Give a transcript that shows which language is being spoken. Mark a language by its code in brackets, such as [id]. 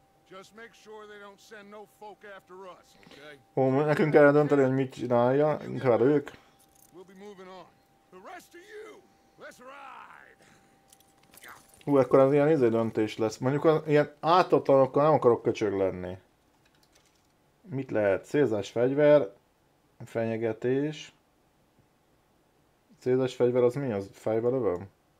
[en] Just make sure they don't send no folk after us, okay? [hu] Ó, nekünk kell dönteni, hogy mit csinálja, inkább ők. [en] We'll be moving on. The rest of you, let's ride! [hu] Hú, akkor az ilyen izé döntés lesz. Mondjuk az ilyen ártatlanokkal nem akarok köcsög lenni. Mit lehet? Célzás fegyver, fenyegetés. Célzás fegyver az mi? Az fejbe lövöm?